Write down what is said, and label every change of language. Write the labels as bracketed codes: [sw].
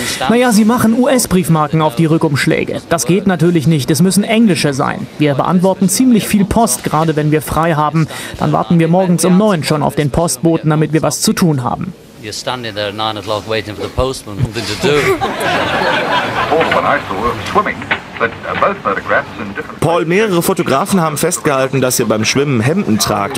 [de] Naja, sie machen US-Briefmarken auf die Rückumschläge. Das geht natürlich nicht, es müssen englische sein. Wir beantworten ziemlich viel Post, gerade wenn wir frei haben. Dann warten wir morgens um 9 schon auf den Postboten, damit wir was zu tun haben. [en] You're standing there at 9 o'clock waiting for the postman, something to do. [de] Paul, mehrere Fotografen haben festgehalten, dass ihr beim Schwimmen Hemden tragt.